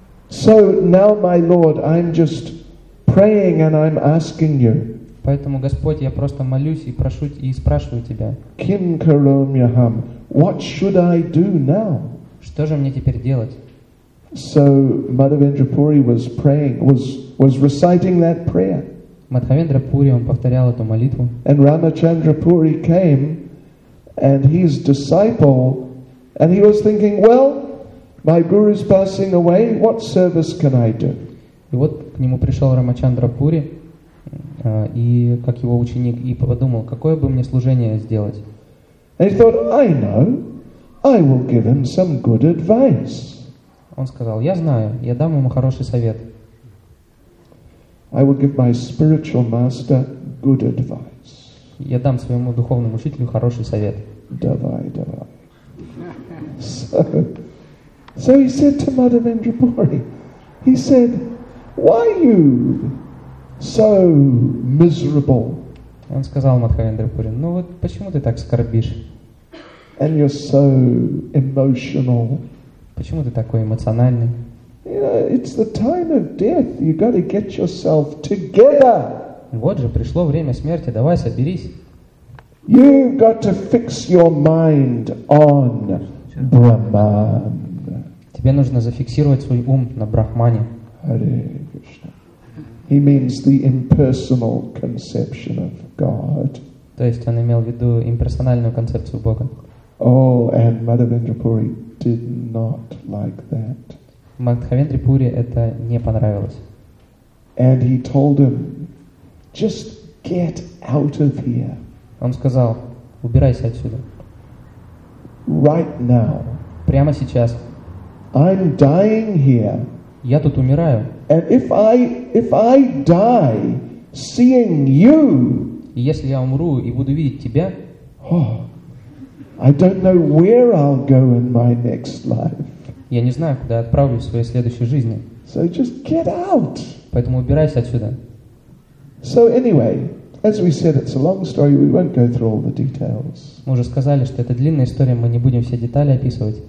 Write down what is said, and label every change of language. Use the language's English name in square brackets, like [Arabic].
[English] So now, my Lord, I'm just praying and I'm asking you. [Russian] Поэтому, Господь, я просто молюсь и прошу и спрашиваю тебя. [Sanskrit] Kim karomyaham, [English] what should I do now? [Russian] Что же мне теперь делать? [English] So Madhavendra Puri was praying, was reciting that prayer. [Russian] Мадхавендра Пури, он повторял эту молитву. [English] And Ramachandra Puri came and his disciple, and he was thinking, well, my guru is passing away, what service can I do? [Russian] И вот к нему пришел Рамачандра Пури, и как его ученик, и подумал, какое бы мне служение сделать? [English] And he thought, I know, I will give him some good advice. [Russian] Он сказал, я знаю, я дам ему хороший совет. [English] I will give my spiritual master good advice. [Russian] Я дам своему духовному учителю хороший совет. Давай, давай. [English] So he said to Madhavendra Puri, he said, why are you so miserable? [Russian] Он сказал Мадхавендра Пури, ну вот почему ты так скорбишь? [English] And you're so emotional. [Russian] Почему ты такой эмоциональный? [English] You know, it's the time of death. You got to get yourself together. [Russian] Вот же пришло время смерти. Давай соберись. [English] You've got to fix your mind on Brahman. [Russian] Тебе нужно зафиксировать свой ум на Брахмане. [English] Hare Krishna. He means the impersonal conception of God. [Russian] То есть он имел в виду имперсональную концепцию Бога. [English] Oh, and Madhavendra Puri did not like that. [Russian] Мадхавендре Пури это не понравилось. [English] And he told him, just get out of here. [Russian] Он сказал, убирайся отсюда. [English] Right now. [Russian] Прямо сейчас. [English] I'm dying here. [Russian] Я тут умираю. [English] And if I die seeing you. [Russian] Если я умру и буду видеть тебя. [English] Oh, I don't know where I'll go in my next life. [Russian] Я не знаю, куда отправлюсь в своей следующей жизни. [English] So just get out. [Russian] Поэтому убирайся отсюда. [English] So anyway, as we said, it's a long story. We won't go through all the details. [Russian] Мы уже сказали, что это длинная история, мы не будем все детали описывать.